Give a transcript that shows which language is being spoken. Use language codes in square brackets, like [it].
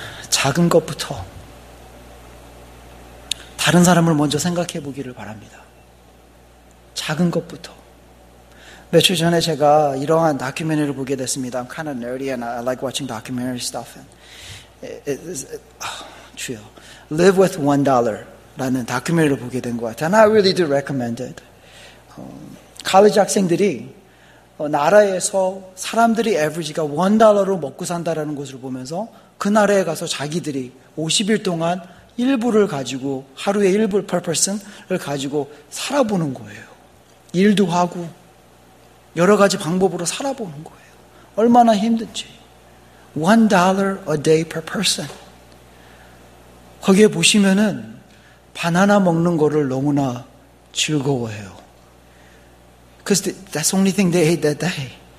[ko] 작은 것부터 다른 사람을 먼저 생각해 보기를 바랍니다. 작은 것부터. 며칠 전에 제가 이러한 다큐멘터리를 보게 됐습니다. [en] I'm kind of nerdy and I like watching documentary stuff. And it's, [ko] Live with $1 라는 다큐멘터리를 보게 된 것 같아요. [en] And I really do recommend it. [ko] 칼리지 학생들이 나라에서 사람들이 에버리지가 $1로 먹고 산다라는 것을 보면서 그 나라에 가서 자기들이 50일 동안 일부를 가지고 하루에 일부 per person을 가지고 살아보는 거예요. 일도 하고 여러 가지 방법으로 살아보는 거예요. 얼마나 힘든지. [en] $1 a day per person. [ko] 거기에 보시면은 바나나 먹는 거를 너무나 즐거워해요. [en] Because that's the only thing they ate that day.